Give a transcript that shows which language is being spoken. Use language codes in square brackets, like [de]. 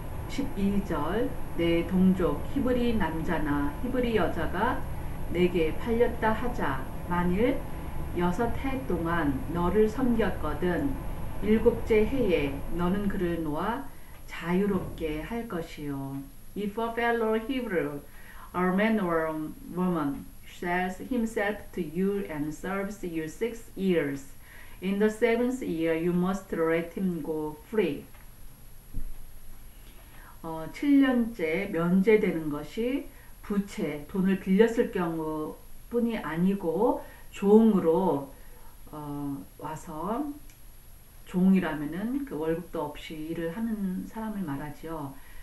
[ko] 12절 내 동족 히브리 남자나 히브리 여자가 내게 팔렸다 하자 만일 여섯 해 동안 너를 섬겼거든 일곱째 해에 너는 그를 놓아 자유롭게 할 것이요. [en] If a fellow Hebrew or man or woman sells himself to you and serves you 6 years, in the seventh year you must let him go free. [ko] 7년째 면제되는 것이 부채, 돈을 빌렸을 경우뿐이 아니고 종으로 와서 종이라면은 그 월급도 없이 일을 하는 사람을 말하지요.